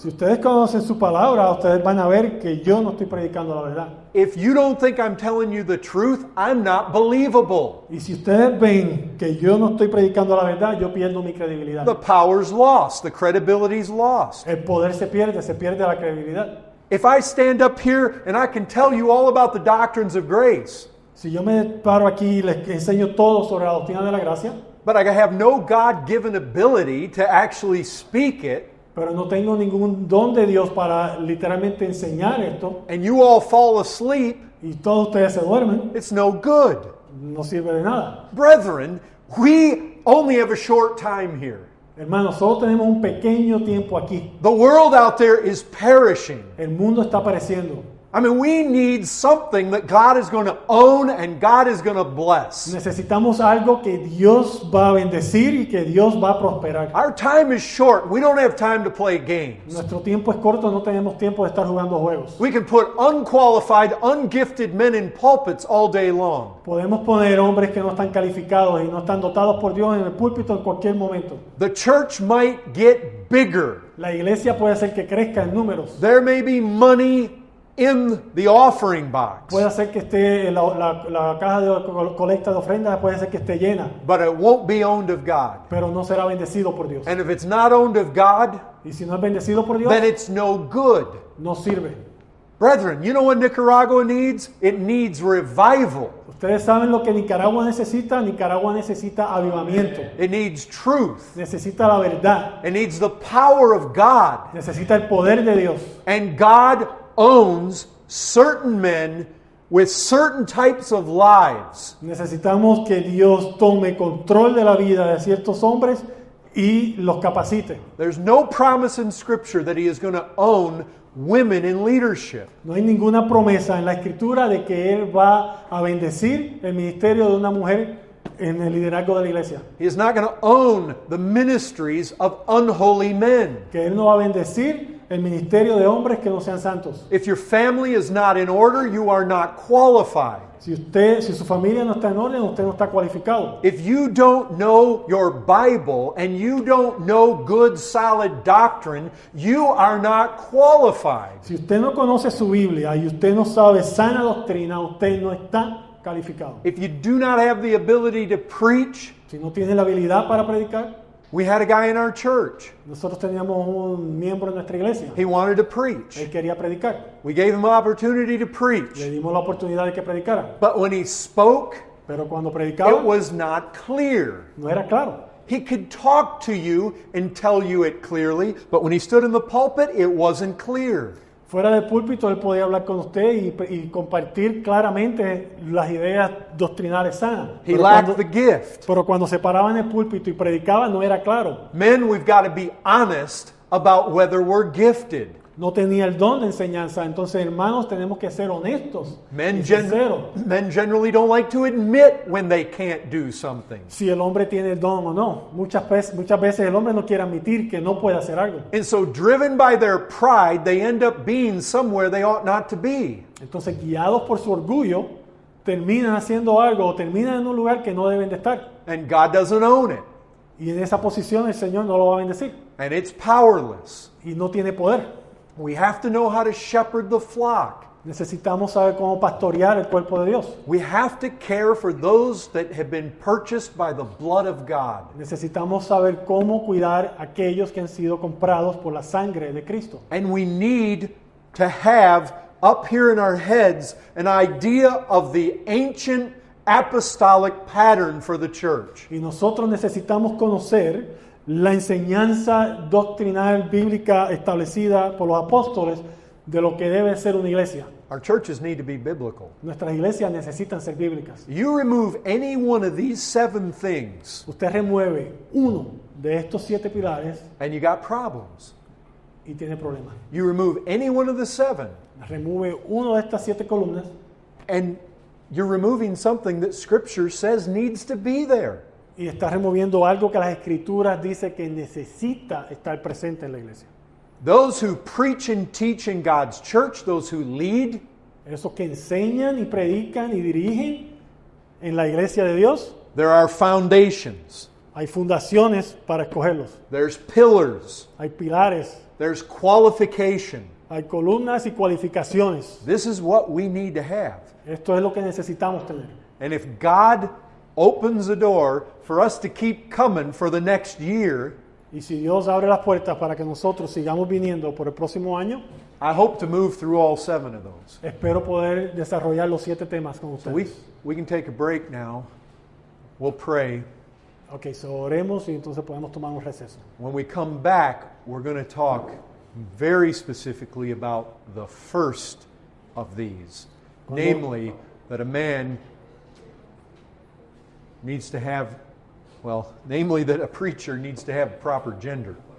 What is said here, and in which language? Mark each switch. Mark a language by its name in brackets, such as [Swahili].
[Spanish] Si ustedes conocen su palabra, ustedes van a ver que yo no estoy predicando la verdad. [English] If you don't think I'm telling you the truth, I'm not believable. [Spanish] Y si ustedes ven que yo no estoy predicando la verdad, yo pierdo mi credibilidad. [English] The power's lost. The credibility's lost. [Spanish] El poder se pierde la credibilidad. [English] If I stand up here and I can tell you all about the doctrines of grace, [Spanish] si yo me paro aquí y les enseño todo sobre la doctrina de la gracia, [English] but I have no God-given ability to actually speak it, [Spanish] pero no tengo ningún don de Dios para literalmente enseñar esto, [English] and you all fall asleep, [Spanish] y todos ustedes se duermen, [English] it's no good. [Spanish] No sirve de nada. [English] Brethren, we only have a short time here. [Spanish] Hermanos, solo tenemos un pequeño tiempo aquí. [English] The world out there is perishing. [Spanish] El mundo está pereciendo. [English] I mean, we need something that God is going to own and God is going to bless. [Spanish] Necesitamos algo que Dios va a bendecir y que Dios va a prosperar. [English] Our time is short. We don't have time to play games. [Spanish] Nuestro tiempo es corto, no tenemos tiempo de estar jugando juegos. [English] We can put unqualified, ungifted men in pulpits all day long. [Spanish] Podemos poner hombres que no están calificados y no están dotados por Dios en el púlpito en cualquier momento. [English] The church might get bigger. [Spanish] La iglesia puede hacer que crezca en números. [English] There may be money in the offering box. [Spanish] Puede ser que esté la caja de colecta de ofrendas, puede ser que esté llena. [English] But it won't be owned of God. [Spanish] Pero no será bendecido por Dios. [English] And if it's not owned of God, [Spanish] y si no es bendecido por Dios, [English] then it's no good. [Spanish] No sirve. [English] Brethren, you know what Nicaragua needs? It needs revival. [Spanish] Ustedes saben lo que Nicaragua necesita. Nicaragua necesita avivamiento. [English] It needs truth. [Spanish] Necesita la verdad. [English] It needs the power of God. [Spanish] Necesita el poder de Dios. [English] And God owns certain men with certain types of lives. [Spanish] Necesitamos que Dios tome control de la vida de ciertos hombres y los capacite. [English] There's no promise in Scripture that he is going to own women in leadership. [Spanish] No hay ninguna promesa en la Escritura de que él va a bendecir el ministerio de una mujer en el liderazgo de la iglesia. [English] He is not going to own the ministries of unholy men. [Spanish] Que él no va a bendecir el ministerio de hombres que no sean santos. [English] If your family is not in order, you are not qualified. [Spanish] Si su familia no está en orden, usted no está cualificado. [English] If you don't know your Bible and you don't know good solid doctrine, you are not qualified. [Spanish] Si usted no conoce su Biblia y usted no sabe sana doctrina, usted no está calificado. [English] If you do not have the ability to preach, [Spanish] si no tiene la habilidad para predicar. [English] We had a guy in our church. [Spanish] Nosotros teníamos un miembro en nuestra iglesia. [English] He wanted to preach. [Spanish] Él quería predicar. [English] We gave him an opportunity to preach. [Spanish] Le dimos la oportunidad de que predicara. [English] But when he spoke, [Spanish] pero cuando predicaba, [English] it was not clear. [Spanish] No era claro. [English] He could talk to you and tell you it clearly, but when he stood in the pulpit, it wasn't clear. [Spanish] Fuera del púlpito, él podía hablar con usted y compartir claramente las ideas doctrinales sanas. [English] He lacked the gift. [Spanish] Pero cuando se paraba en el púlpito y predicaba, no era claro. [English] Men, we've got to be honest about whether we're gifted. [Spanish] No tenía el don de enseñanza. Entonces, hermanos, tenemos que ser honestos. [English] Men, [Spanish] sinceros. [English] Men generally don't like to admit when they can't do something. [Spanish] Si el hombre tiene el don o no. Muchas veces el hombre no quiere admitir que no puede hacer algo. [English] And so, driven by their pride, they end up being somewhere they ought not to be. [Spanish] Entonces, guiados por su orgullo, terminan haciendo algo o terminan en un lugar que no deben de estar. [English] And God doesn't own it. [Spanish] Y en esa posición el Señor no lo va a bendecir. [English] And it's powerless. [Spanish] Y no tiene poder. [English] We have to know how to shepherd the flock. [Spanish] Necesitamos saber cómo pastorear el cuerpo de Dios. [English] We have to care for those that have been purchased by the blood of God. [Spanish] Necesitamos saber cómo cuidar aquellos que han sido comprados por la sangre de Cristo. [English] And we need to have up here in our heads an idea of the ancient apostolic pattern for the church. [Spanish] Y nosotros necesitamos conocer la enseñanza doctrinal bíblica establecida por los apóstoles de lo que debe ser una iglesia. [English] Our churches need to be biblical. [Spanish] Nuestras iglesias necesitan ser bíblicas. [English] You remove any one of these seven things, [Spanish] usted remueve uno de estos siete pilares, [English] and you got problems. [Spanish] Y tiene problemas. [English] You remove any one of the seven, [Spanish] remueve uno de estas siete columnas, [English] and you're removing something that Scripture says needs to be there. [Spanish] Y está removiendo algo que las Escrituras dice que necesita estar presente en la iglesia. [English] Those who preach and teach in God's church, those who lead, [Spanish] esos que enseñan y predican y dirigen en la iglesia de Dios, [English] there are foundations. [Spanish] Hay fundaciones para escogerlos. [English] There's pillars. [Spanish] Hay pilares. [English] There's qualification. [Spanish] Hay columnas y cualificaciones. [English] This is what we need to have. [Spanish] Esto es lo que necesitamos tener. [English] And if God opens the door for us to keep coming for the next year, [Spanish] y si Dios abre las puertas para que nosotros sigamos viniendo por el próximo año, [English] I hope to move through all seven of those. [Spanish] Espero poder desarrollar los siete temas con ustedes. [English] We can take a break now. We'll pray. [Spanish] Okay, so oremos y entonces podemos tomar un receso. [English] When we come back, we're going to talk very specifically about the first of these. [Spanish] ¿Cuándo? [English] Namely, that a man needs to have, well, namely that a preacher needs to have proper gender.